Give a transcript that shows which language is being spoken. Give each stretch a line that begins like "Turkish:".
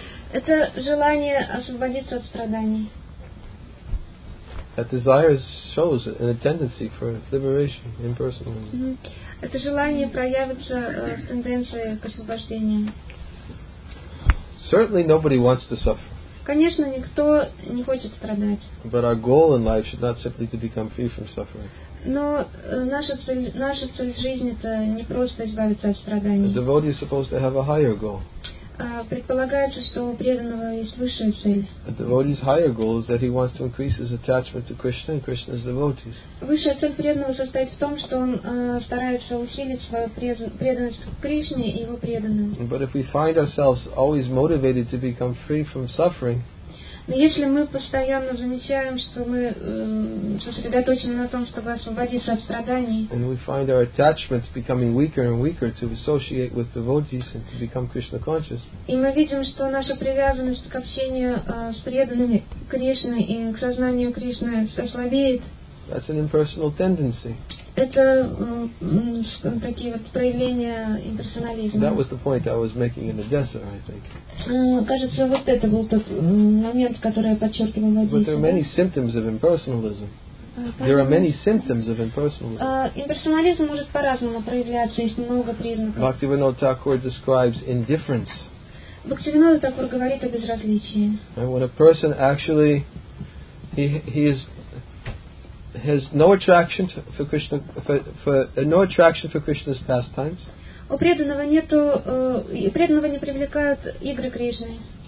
Russian: Это желание освободиться от страданий.
English: That desire shows a tendency for liberation, impersonalism. Mm-hmm.
Russian: Это желание проявится в тенденции к освобождению.
English: Certainly nobody wants to suffer.
Russian: Конечно, никто не хочет страдать.
English: But our goal in life should not simply to become free from suffering.
Russian: Но наша цель жизни это не просто избавиться от страданий.
English: The devotee is supposed to have a higher goal.
Russian: Предполагается, что у преданного есть высшая цель.
English: A devotee's higher goal is that he wants to increase his attachment to Krishna and Krishna's devotees.
Russian: Высшая цель преданного состоит в том, что он старается усилить свою преданность к Кришне и его преданным.
English: But if we find ourselves always motivated to become free from suffering,
Russian: но если мы постоянно замечаем, что мы сосредоточены на том, чтобы освободиться от страданий,
English: and we find our attachments becoming weaker and weaker to associate with devotees and to become Krishna conscious,
Russian: и мы видим, что наша привязанность к общению с преданными Кришны и к сознанию Кришны ослабеет,
English: that's an impersonal tendency.
Russian: Это такие вот проявления имперсонализма.
English: That was the point I was making in Odessa, I think.
Russian: Кажется, вот это был тот момент, который я подчеркивал в Одессе.
English: But there are many symptoms of impersonalism. There are many symptoms of impersonalism.
Russian: Имперсонализм может по-разному проявляться, есть много признаков.
English: Bhaktivinoda Thakur describes indifference.
Russian: Бхактивинода Такур говорит о безразличии.
English: And when a person actually he has no attraction for Krishna, no attraction for Krishna's pastimes.
Russian: У преданного нету, преданного не привлекают игры Кришны.